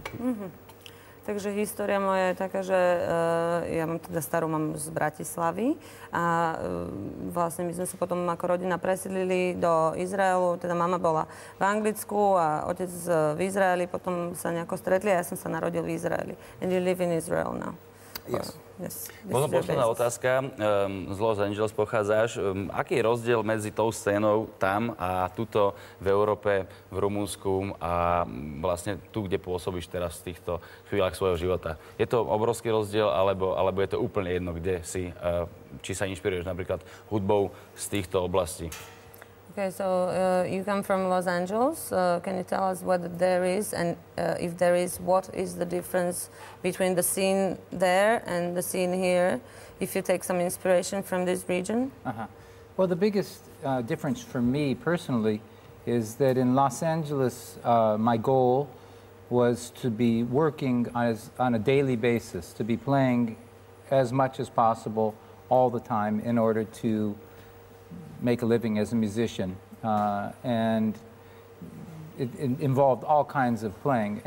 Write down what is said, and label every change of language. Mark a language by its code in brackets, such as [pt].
[sk] Mm-hmm. Takže história moja je taká, že ja mám teda starú mamu z Bratislavy a vlastne my sme sa potom ako rodina presiedlili do Izraelu, teda mama bola v Anglicku a otec v Izraeli, potom sa nejako stretli a ja som sa narodil v Izraeli. [en] And you live in Israel now? Yes. [sk] Možno posledná otázka, z Los Angeles pochádzaš. Aký je rozdiel medzi tou scénou tam a tuto v Európe, v Rumunsku a vlastne tu, kde pôsobíš teraz v týchto chvíľach svojho života? Je to obrovský rozdiel, alebo je to úplne jedno, kde si, či sa inšpiruješ napríklad hudbou z týchto oblastí? [en] Okay, so you come from Los Angeles. Can you tell us whether there is, and if there is, what is the difference between the scene there and the scene here, if you take some inspiration from this region? Uh-huh. Well, the biggest difference for me personally is that in Los Angeles, my goal was to be working on a daily basis, to be playing as much as possible all the time in order to make a living as a musician, and it involved all kinds of playing.